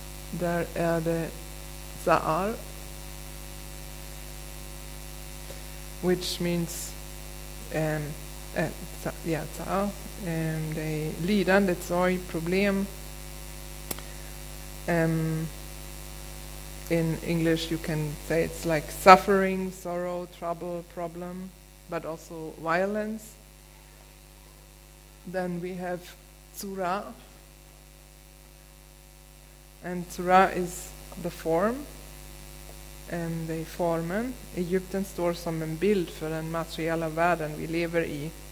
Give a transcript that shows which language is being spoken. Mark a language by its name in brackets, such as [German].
[Swedish] Där är det Za'ar, [English] which means [Swedish] Za'ar, det är lidande, sorg, problem. [English] In English you can say it's like suffering, sorrow, trouble, problem, but also violence. Then we have Tzura, and Tzura is the form, [Swedish] ända i formen. Egypten står som en bild för den materiella världen vi lever i.